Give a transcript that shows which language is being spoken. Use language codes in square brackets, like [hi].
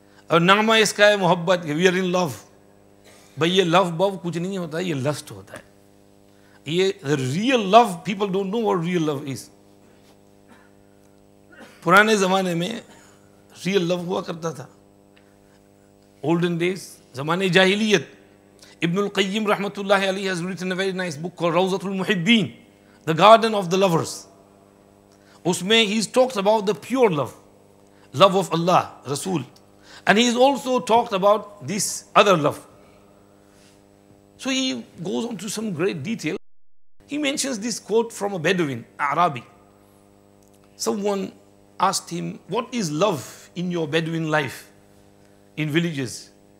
[ur] اور نامہ اس کا ہے محبت, [en] We are in love. [ur] بھائی یہ لو بو کچھ نہیں ہوتا, یہ لسٹ ہوتا ہے. [en] یہ real love, people don't know what real love is. [ur] پرانے زمانے میں ریئل لو ہوا کرتا تھا, [en] olden days, [ur] زمانے جاہلیت. [en] ابن القیم رحمۃ اللہ علیہ has written a very nice book call روضۃ المحبین, the garden of the lovers. اس میں ہی talks about the pure love, love of Allah, Rasul. And he has also talked about this other love. So he goes on to some great detail. He mentions this quote from a Bedouin, Arabi. Someone asked him, what is love in your Bedouin life, in villages?